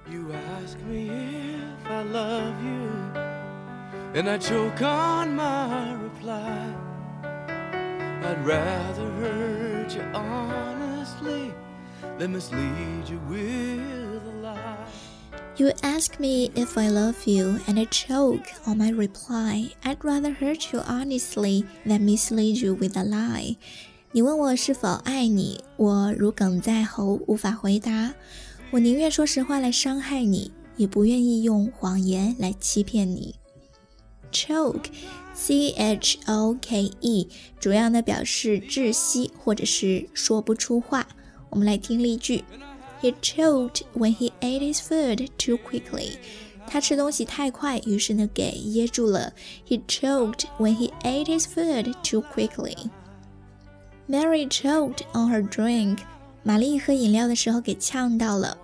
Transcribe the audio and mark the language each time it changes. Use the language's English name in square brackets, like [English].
[English] You ask me if I love you And I choke on my reply I'd rather hurt you honestlyThey mislead you with a lie. You ask me if I love you, and I choke on my reply. I'd rather hurt you honestly than mislead you with a lie. [Chinese] 你问我是否爱你，我如鲠在喉，无法回答。我宁愿说实话来伤害你，也不愿意用谎言来欺骗你。 Choke, C-H-O-K-E, 主要呢表示窒息或者是说不出话。我们来听例句。 [English] He choked when he ate his food too quickly. [Chinese] 他吃东西太快，于是呢给噎住了。 [English] He choked when he ate his food too quickly. Mary choked on her drink. [Chinese] 玛丽喝饮料的时候给呛到了。